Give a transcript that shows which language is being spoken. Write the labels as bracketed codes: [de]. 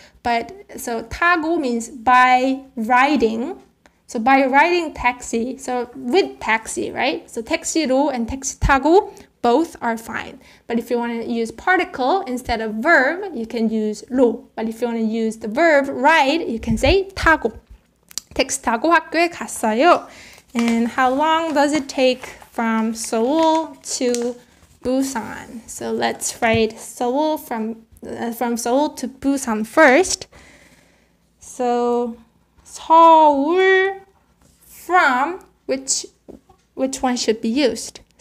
[en] But so 타고 means by riding. So by riding taxi, so with taxi, right? So 택시로 and 택시 타고, both are fine. But if you want to use particle instead of verb, you can use 로. But if you want to use the verb ride, you can say 타고. [ko] 택시 타고 학교에 갔어요. [en] And how long does it take from Seoul to Busan? So let's write Seoul from Seoul to Busan first. So 서울 from, which one should be used?